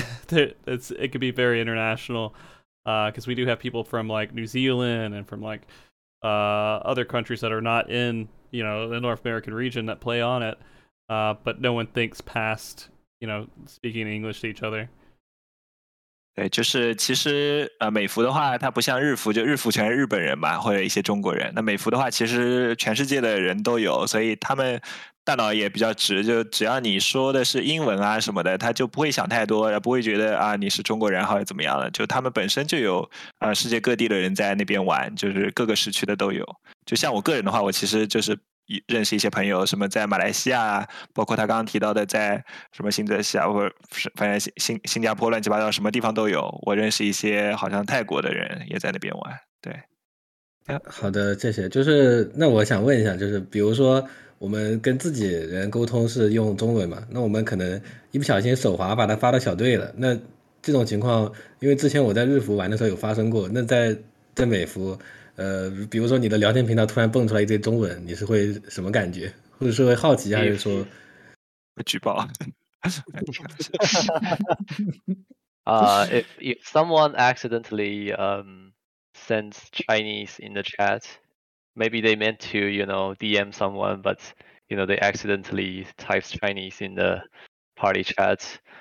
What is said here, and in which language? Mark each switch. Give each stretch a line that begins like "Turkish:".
English: It could be very international, because we do have people from like New Zealand and from like other countries that are not in, you know, the North American region that play on it, but no one thinks past, you know, speaking English to each other.
Chinese: 对，就是其实美服的话，它不像日服，就日服全是日本人嘛，或者一些中国人。那美服的话，其实全世界的人都有，所以他们大脑也比较直，就只要你说的是英文啊什么的，他就不会想太多，也不会觉得啊你是中国人或者怎么样了。就他们本身就有世界各地的人在那边玩，就是各个时区的都有。就像我个人的话，我其实就是认识一些朋友，什么在马来西亚，包括他刚刚提到的在什么新泽西啊，或者反正新加坡乱七八糟什么地方都有。我认识一些好像泰国的人也在那边玩。对，好的，谢谢。就是那我想问一下，就是比如说，我们跟自己人沟通是用中文嘛，那我们可能一不小心手滑把它发到小队了，那这种情况，因为之前我在日服玩的时候有发生过，那在美服比如说你的聊天频道突然蹦出来一堆中文，你是会什么感觉，或者是会好奇还是说举报
English: if someone accidentally sends Chinese in the chatMaybe they meant to, you know, DM someone, but, you know, they accidentally typed Chinese in the party chat.